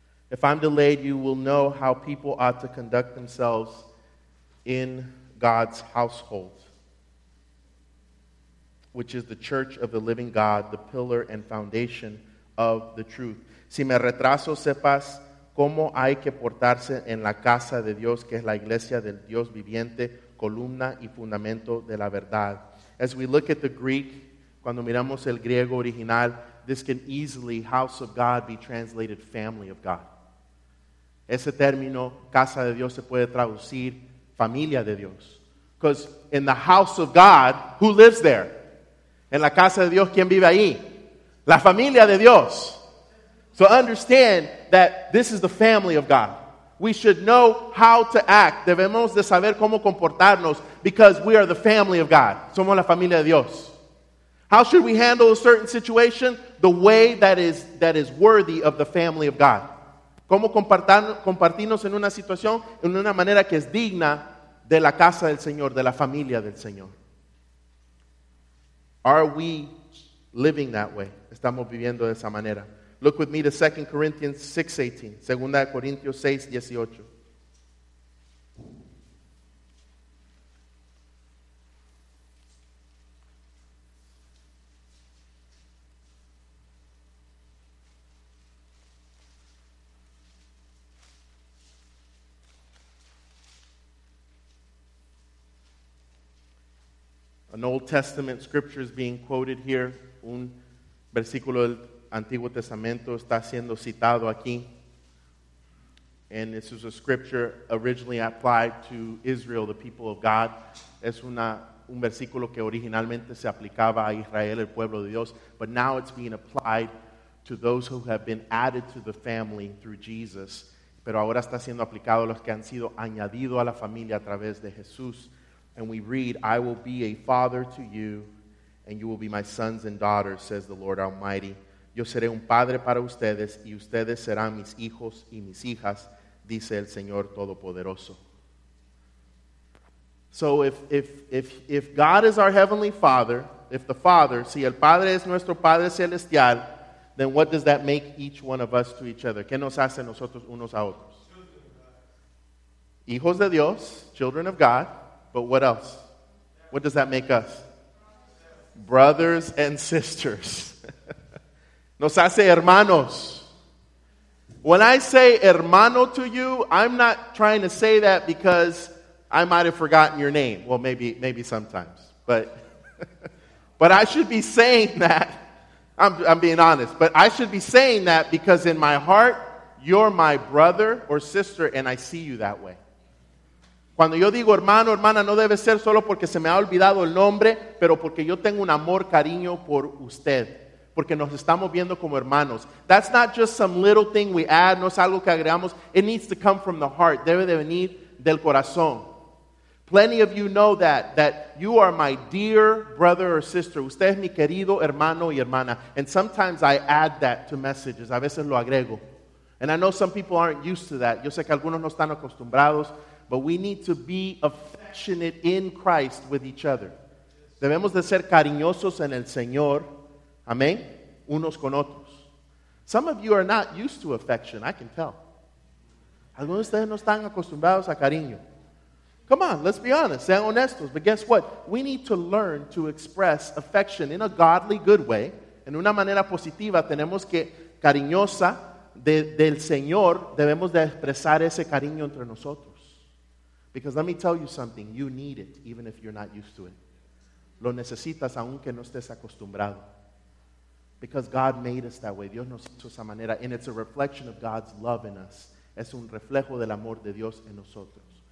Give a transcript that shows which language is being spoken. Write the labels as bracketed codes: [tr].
[en] If I'm delayed, you will know how people ought to conduct themselves in God's household, which is the church of the living God, the pillar and foundation of the truth. [es] Si me retraso, sepas cómo hay que portarse en la casa de Dios, que es la iglesia del Dios viviente, columna y fundamento de la verdad. [en] As we look at the Greek, [es] cuando miramos el griego original, [en] this can easily, house of God, be translated family of God. [es] Ese término, casa de Dios, se puede traducir familia de Dios. [en] Because in the house of God, who lives there? [es] En la casa de Dios, ¿quién vive ahí? La familia de Dios. [en] So understand that this is the family of God. We should know how to act. [es] Debemos de saber cómo comportarnos [en] because we are the family of God. [es] Somos la familia de Dios. [en] How should we handle a certain situation? The way that is worthy of the family of God. [es] ¿Cómo compartirnos en una situación en una manera que es digna de la casa del Señor, de la familia del Señor? [en] Are we living that way? [es] ¿Estamos viviendo de esa manera? [en] Look with me to 2 Corinthians 6:18. [es] 2 Corintios 6, 18. [en] An Old Testament scripture is being quoted here. [es] Un versículo del Antiguo Testamento está siendo citado aquí. [en] And this is a scripture originally applied to Israel, the people of God. [es] Es un versículo que originalmente se aplicaba a Israel, el pueblo de Dios. [en] But now it's being applied to those who have been added to the family through Jesus. [es] Pero ahora está siendo aplicado a los que han sido añadidos a la familia a través de Jesús. [en] And we read, I will be a father to you, and you will be my sons and daughters, says the Lord Almighty. [es] Yo seré un padre para ustedes, y ustedes serán mis hijos y mis hijas, dice el Señor Todopoderoso. [en] So if God is our heavenly Father, if the Father, [es] si el Padre es nuestro Padre Celestial, [en] then what does that make each one of us to each other? [es] ¿Qué nos hace nosotros unos a otros? Hijos de Dios, [en] children of God. But what else? What does that make us? Brothers and sisters. [es] Nos hace hermanos. [en] When I say hermano to you, I'm not trying to say that because I might have forgotten your name. Well, maybe sometimes. But I should be saying that. I'm being honest. But I should be saying that because in my heart, you're my brother or sister, and I see you that way. [es] Cuando yo digo hermano, hermana, no debe ser solo porque se me ha olvidado el nombre, pero porque yo tengo un amor, cariño por usted. Porque nos estamos viendo como hermanos. [en] That's not just some little thing we add, [es] no es algo que agregamos. [en] It needs to come from the heart. [es] Debe de venir del corazón. [en] Plenty of you know that you are my dear brother or sister. [es] Usted es mi querido hermano y hermana. [en] And sometimes I add that to messages. [es] A veces lo agrego. [en] And I know some people aren't used to that. [es] Yo sé que algunos no están acostumbrados. [en] But we need to be affectionate in Christ with each other. [es] Debemos de ser cariñosos en el Señor Amén. Unos con otros. [en] Some of you are not used to affection, I can tell. [es] Algunos de ustedes no están acostumbrados a cariño. [en] Come on, let's be honest, [es] sean honestos. [en] But guess what? We need to learn to express affection in a godly, good way. [es] En una manera positiva, tenemos que, cariñosa, del Señor, debemos de expresar ese cariño entre nosotros. [en] Because let me tell you something, you need it, even if you're not used to it. [es] Lo necesitas, aunque no estés acostumbrado. [en] Because God made us that way. [es] Dios nos hizo esa manera. [en] And it's a reflection of God's love in us. [es] Es un reflejo del amor de Dios en nosotros.